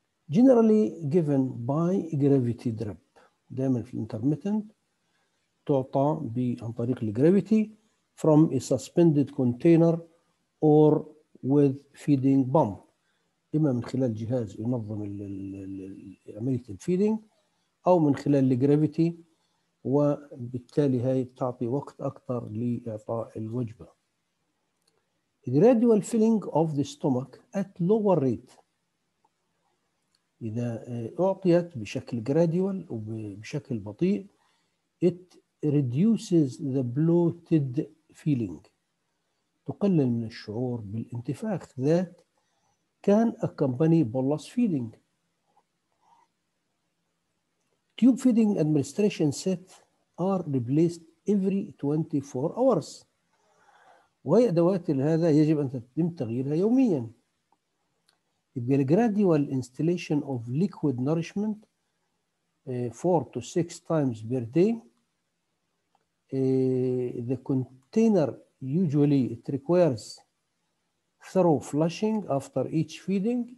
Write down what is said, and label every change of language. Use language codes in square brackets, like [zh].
[en] Generally given by gravity drip. [ar] دائما في [en] intermittent [ar] تعطى عن طريق الجرافيتي [en] from a suspended container or with feeding pump. [ar] إما من خلال جهاز ينظم عملية الفيدينج أو من خلال الجرافيتي, وبالتالي هاي بتعطي وقت أكثر لإعطاء الوجبة. [en] Gradual filling of the stomach at lower rate. [ar] إذا أعطيت بشكل [en] gradual [ar] وبشكل بطيء, [en] it reduces the bloated feeling, [ar] تقلل من الشعور بالانتفاخ, [en] that can accompany bolus feeding. Tube feeding administration set are replaced every 24 hours. [ar] وهي أدوات لهذا يجب أن تتم تغييرها يومياً. [en] The gradual installation of liquid nourishment 4 to 6 times per day. The container usually it requires thorough flushing after each feeding.